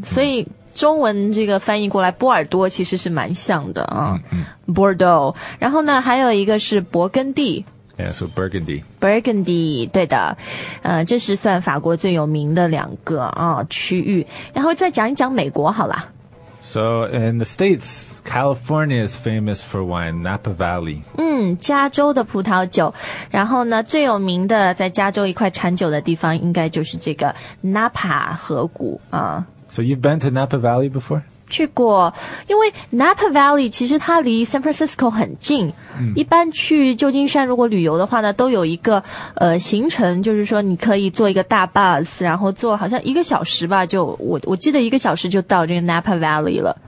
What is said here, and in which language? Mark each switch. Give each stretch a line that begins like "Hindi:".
Chinese: 所以中文这个翻译过来波尔多其实是蛮像的啊。
English: Bordeaux.
Chinese: 然后呢还有一个是勃艮第。
English: Yeah, so Burgundy.
Chinese: Burgundy, 对的。这是算法国最有名的两个啊区域。然后再讲一讲美国好啦。
English: So, in the States, California is famous for wine, Napa Valley.
Chinese: 加州的葡萄酒。然后呢最有名的在加州一块产酒的地方应该就是这个 Napa 河谷。
English: So, you've been to Napa Valley before?
Chinese: 去过。因为 Napa Valley 其实它离 San Francisco 很近。一般去旧金山如果旅游的话呢都有一个行程，就是说你可以坐一个大 bus， 然后坐好像一个小时吧，就我记得一个小时就到这个 Napa Valley 了。